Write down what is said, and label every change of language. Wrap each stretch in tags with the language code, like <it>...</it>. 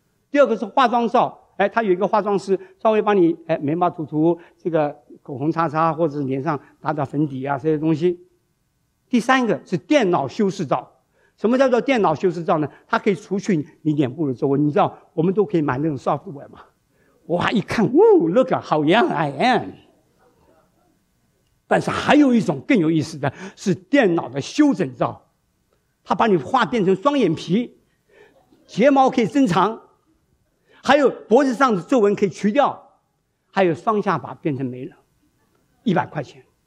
<zh>第二个是化妆照，哎，他有一个化妆师稍微帮你哎眉毛涂涂，这个口红擦擦，或者脸上打打粉底啊这些东西。第三个是电脑修饰照，什么叫做电脑修饰照呢？它可以除去你脸部的皱纹，你知道我们都可以买那种 software 嘛。哇，一看</zh> <en>Woo, Look at how young I am。</en> <zh>但是还有一种更有意思的是电脑的修整照，它把你画变成双眼皮，睫毛可以增长，还有脖子上的皱纹可以去掉，还有双下巴变成没了，100块钱。</zh>